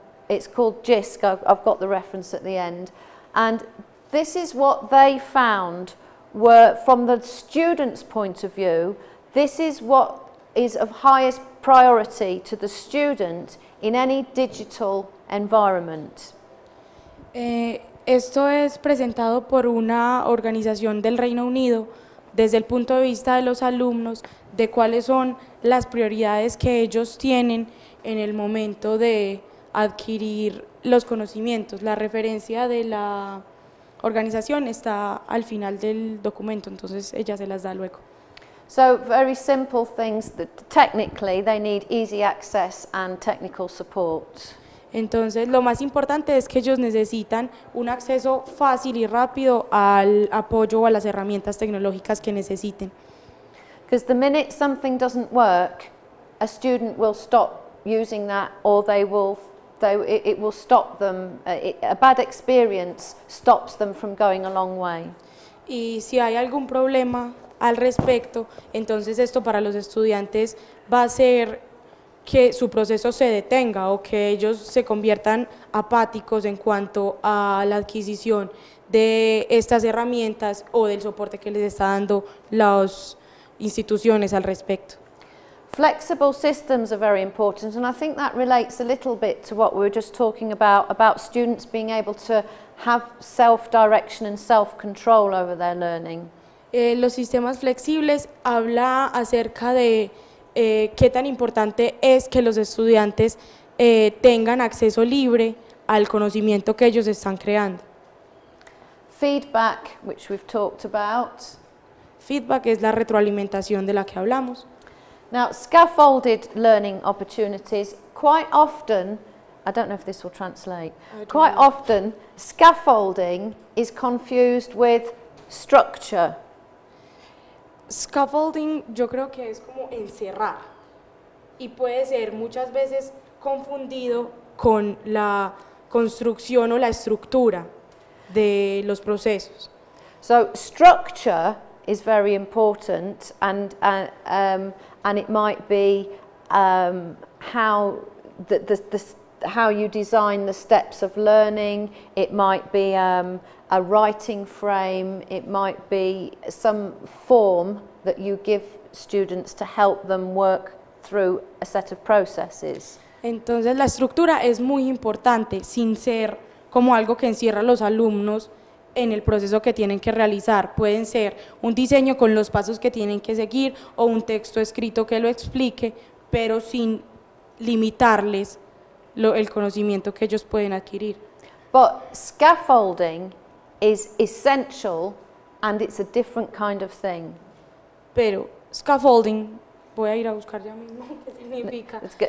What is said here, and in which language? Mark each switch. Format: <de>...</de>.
<en>It's called JISC, I've got the reference at the end. And this is what they found were, from the students' point of view, this is what is of highest priority to the student in any digital environment.</en> <es>Esto es presentado por una organización del Reino Unido desde el punto de vista de los alumnos, de cuáles son las prioridades que ellos tienen en el momento de adquirir los conocimientos. La referencia de la organización está al final del documento, entonces ella se las da luego.</es> <en>So very simple things that technically they need easy access and technical support.</en> <es>Entonces lo más importante es que ellos necesitan un acceso fácil y rápido al apoyo o a las herramientas tecnológicas que necesiten.</es> <en>Because the minute something doesn't work, a student will stop using that, or it will stop them. A bad experience stops them from going a long way.</en> <es>Y si hay algún problema al respecto, entonces esto para los estudiantes va a ser que su proceso se detenga o que ellos se conviertan apáticos en cuanto a la adquisición de estas herramientas o del soporte que les está dando las instituciones al respecto.</es> <en>Flexible systems are very important, and I think that relates a little bit to what we were just talking about students being able to have self-direction and self-control over their learning.</en> <es>Los sistemas flexibles habla acerca de qué tan importante es que los estudiantes tengan acceso libre al conocimiento que ellos están creando.</es> <en>Feedback, which we've talked about.</en> <es>Feedback es la retroalimentación de la que hablamos.</es> <en>Now, scaffolded learning opportunities, quite often, I don't know if this will translate, quite often scaffolding is confused with structure.</en> <es>Scaffolding, yo creo que es como encerrar, y puede ser muchas veces confundido con la construcción o la estructura de los procesos.</es> <en>So structure is very important, and it might be how you design the steps of learning. It might be a writing frame. It might be some form that you give students to help them work through a set of processes.</en> <es>Entonces la estructura es muy importante, sin ser como algo que encierra a los alumnos en el proceso que tienen que realizar. Pueden ser un diseño con los pasos que tienen que seguir o un texto escrito que lo explique, pero sin limitarles el conocimiento que ellos pueden adquirir.</es> <en>But scaffolding is essential, and it's a different kind of thing.</en> <es>Pero scaffolding, voy a ir a buscar ya mismo qué significa.</es>